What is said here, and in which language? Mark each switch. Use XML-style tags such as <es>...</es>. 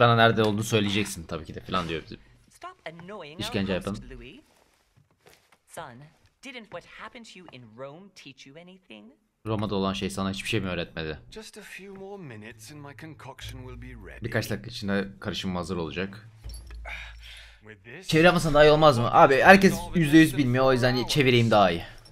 <tr>Bana nerede olduğunu söyleyeceksin tabii ki de falan diyor. İşkence yapalım. Son.</tr> <en>Didn't what happened to you in Rome teach you anything?</en> <tr>Roma'da olan şey sana hiçbir şey mi öğretmedi?</tr> <en>Just a few more minutes and my concoction will be ready.</en> <tr>Birkaç dakika içinde karışımım hazır olacak. Çevireyim mi sana daha iyi olmaz mı? Abi herkes %100 bilmiyor, o yüzden çevireyim daha iyi.</tr>